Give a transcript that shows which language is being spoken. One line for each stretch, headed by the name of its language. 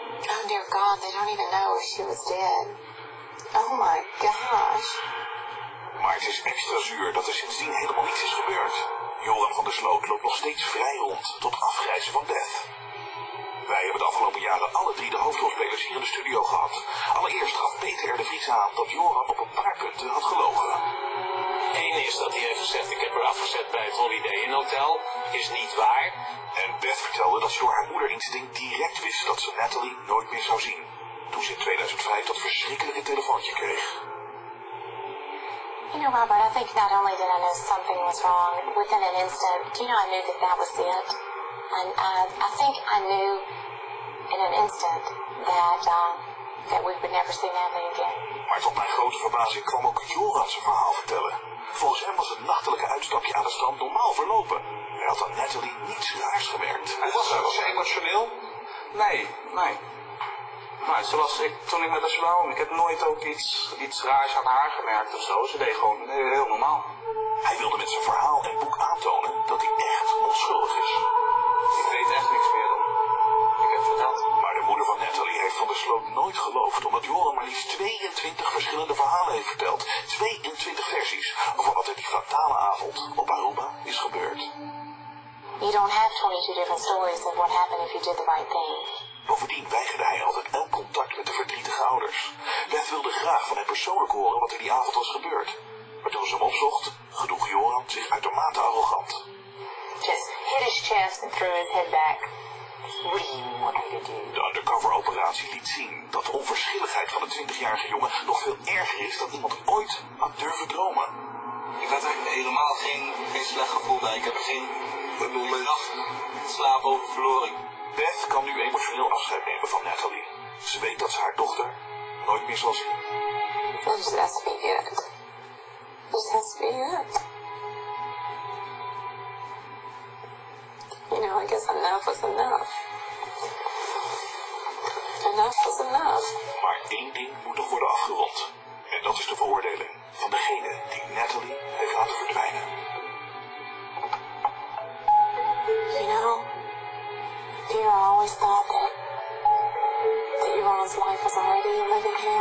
English: Oh dear God, they don't even know if she was dead. Oh my gosh.
Dutch: Maar het is extra zuur dat er sindsdien helemaal niets is gebeurd. Joran van der Sloot loopt nog steeds vrij rond tot afgrijzen van Beth. Wij hebben de afgelopen jaren alle drie de hoofdrolspelers hier in de studio gehad. Allereerst gaf Peter R. de Vries aan dat Joran op een paar punten had gelogen. Eén is dat hij heeft gezegd, ik heb haar afgezet bij het Holiday Inn Hotel. Is niet waar. En Beth vertelde dat ze door haar moederinstinct direct wist dat ze Natalie nooit meer zou zien. Toen ze in 2005 dat verschrikkelijke telefoontje kreeg.
English: You know, Robert, I think not only did I know something was wrong, within an instant, do you know I knew that that was it? And I think I knew in an instant that that we would never see Natalie again.
Dutch: Maar tot mijn grote verbazing kwam ook Joran zijn verhaal vertellen. Volgens hem was het nachtelijke uitstapje aan het strand normaal verlopen. Hij had aan Natalie niets raars gemerkt. Was ze emotioneel? Nee. Maar zoals ik, toen ik met haar sprak, ik heb nooit ook iets raars aan haar gemerkt of zo. Ze deed gewoon heel normaal. Hij wilde met zijn verhaal en boek aantonen dat hij echt onschuldig is. Ik weet echt niks meer dan. Ik heb verteld. Maar de moeder van Natalie heeft van der Sloot nooit geloofd, omdat Joran maar liefst 22 verschillende verhalen heeft verteld. 22 versies over wat er die fatale avond op Aruba is gebeurd.
English: You don't have 22 different stories of what happened if you did the right thing.
Dutch: Bovendien weigerde hij altijd elk contact met de verdrietige ouders. Beth wilde graag van hem persoonlijk horen wat er die avond was gebeurd. Maar toen ze hem opzocht, gedroeg Joran zich uitermate arrogant.
English: Just hit his chest and threw his head back. What do you want me to do?
Dutch: De undercover-operatie liet zien dat de onverschilligheid van de 20-jarige jongen nog veel erger is dan iemand ooit had durven dromen. helemaal geen slecht gevoel bij. Ik heb geen nacht slaap over verloren. Beth kan nu emotioneel afscheid nemen van Natalie. Ze weet dat ze haar dochter nooit meer zal zien. Dat is best weird. Dat is best weird.
English: You know, I guess enough is enough. Enough is enough.
Dutch: Maar één ding moet nog worden afgerond. En dat is de veroordeling van degene die Natalie heeft laten verdwijnen.
English: You know, Peter always thought that Yvonne's life was already living.